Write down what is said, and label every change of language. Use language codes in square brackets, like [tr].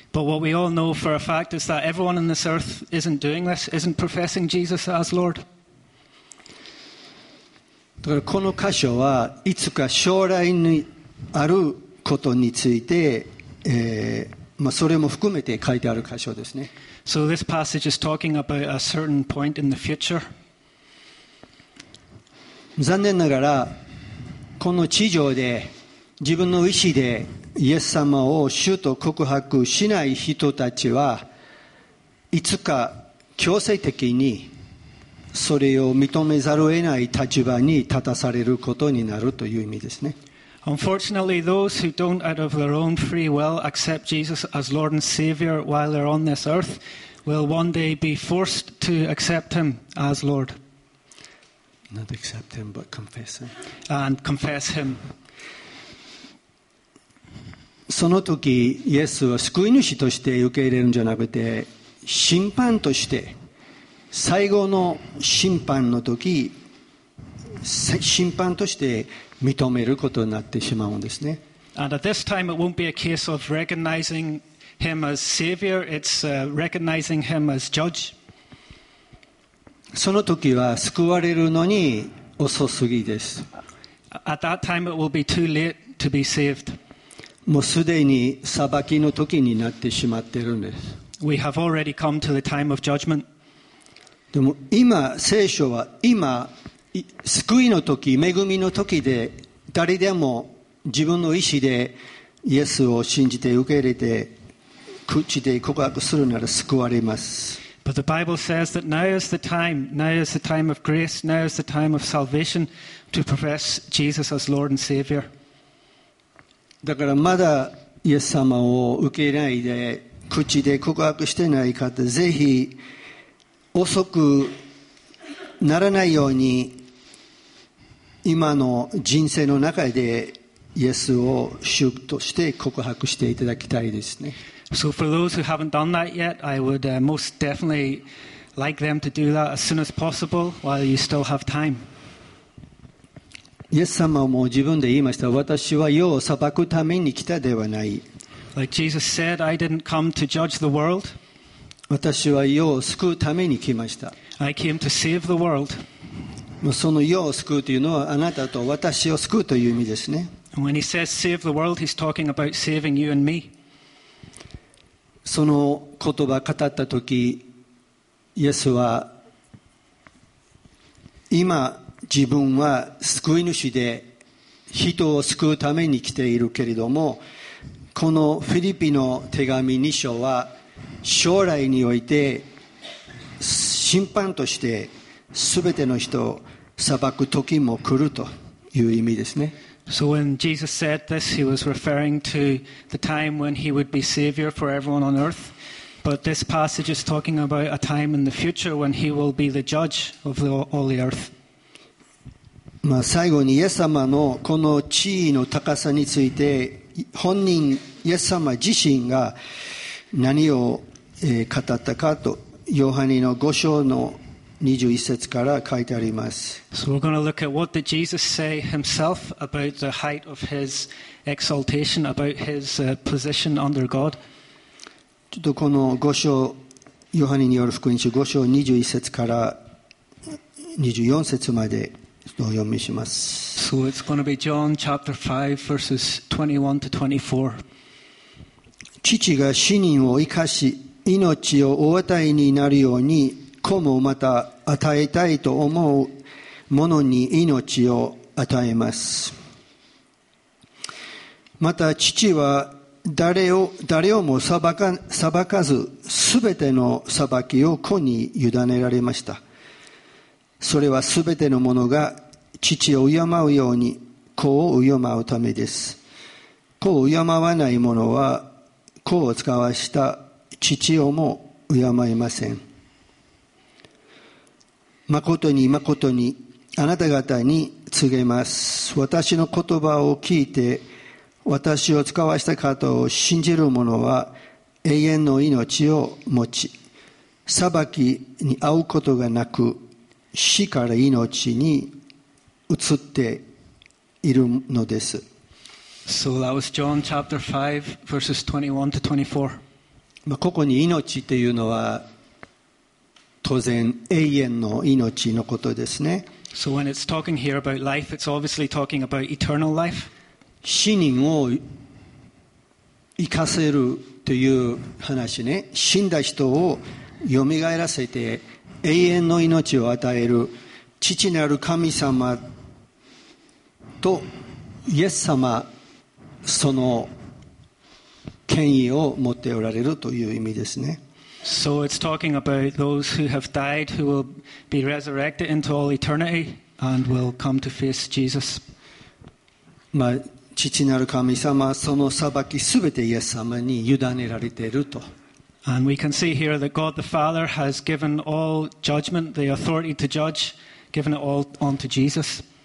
[en] But what we all know for a fact is that everyone on this earth isn't doing this, isn't professing Jesus as Lord. [ja] だからこの箇所はいつか将来にあることについて、それも含めて書いてある箇所ですね。 [en] So this passage is talking about a certain point in the future. [ja] 残念ながらこの地上で自分の意思でイエス様を主と告白しない人たちはいつか強制的にそれを認めざるを得ない立場に立たされることになるという意味ですね。 [en] Unfortunately, those who don't out of their own free will accept Jesus as Lord and Savior while they're on this earth will one day be forced to accept Him as Lord. Not accept Him, but confess Him. And confess Him. [ja] その時イエスは救い主として受け入れるんじゃなくて審判として最後の審判の時審判として認めることになってしまうんですね。 [en] And at this time it won't be a case of recognizing him as savior, it's recognizing him as judge. [ja] その時は救われるのに遅すぎです。 [en] At that time it will be too late to be saved [ja] もうすでに裁きの時になってしまっているんです。 [en] We have already come to the time of judgment. [ja] でも今聖書は今救いの時、恵みの時で誰でも自分の意思でイエスを信じて受け入れて口で告白するなら救われます。 [en] But the Bible says that now is the time. Now is the time of grace. Now is the time of salvation to profess Jesus as Lord and Savior. [ja] だからまだイエス様を受け入れないで口で告白していない方ぜひ遅くならないように今の人生の中でイエスを主として告白していただきたいですね。 [en] So for those who haven't done that yet, I would most definitely like them to do that as soon as possible while you still have time. [ja] イエス様も自分で言いました。私は世を裁くために来たではない。 [en] Like Jesus said, I didn't come to judge the world. [ja] 私は世を救うために来ました。 [en] I came to save the world. [ja] その世を救うというのはあなたと私を救うという意味ですね。 [en] And when he says save the world, he's talking about saving you and me. [ja] その言葉を語った時、イエスは今自分は救い主で人を救うために来ているけれどもこのフィリピの手紙2章は将来において審判として全ての人を裁く時も来るという意味ですね。 [en] So when Jesus said this, he was referring to the time when he would be savior for everyone on earth. But this passage is talking about a time in the future when he will be the judge of all the earth. [ja] 最後にイエス様のこの地位の高さについて本人イエス様自身が何を語ったかとヨハネの5章の21節から書いてあります。 [en] So we're going to look at what did Jesus say himself about the height of his exaltation, about his position under God. [ja] ちょっとこの5章ヨハネによる福音書5章21節から24節までお読みします。 [en] So it's going to be John chapter 5 verses 21 to 24. [ja] 父が死人を生かし命をお与えになるように子もまた与えたいと思う者に命を与えます。また父は誰をも裁かず全ての裁きを子に委ねられました。それは全ての者が父を敬うように子を敬うためです。子を敬わない者は子を使わした父をも敬いません。誠に誠にあなた方に告げます、私の言葉を聞いて私を使わした方を信じる者は永遠の命を持ち、裁きに遭うことがなく死から命に移っているのです。 [en] So that was John chapter 5, verses 21 to 24. [ja] ここに命っていうのは当然永遠の命のことですね。 [en] So when it's talking here about life, it's obviously talking about eternal life. [ja] 死人を生かせるという話ね。死んだ人を蘇らせて永遠の命を与える父なる神様とイエス様、その権威を持っておられるという意味ですね。 [en] So it's talking about those who have died who will be resurrected into all eternity and will come to face Jesus. [ja] まあ、父なる神様、その裁きすべてイエス様に委ねられていると。 [en] And we can see here that God the Father has given all judgment, the authority to judge, given it all onto Jesus.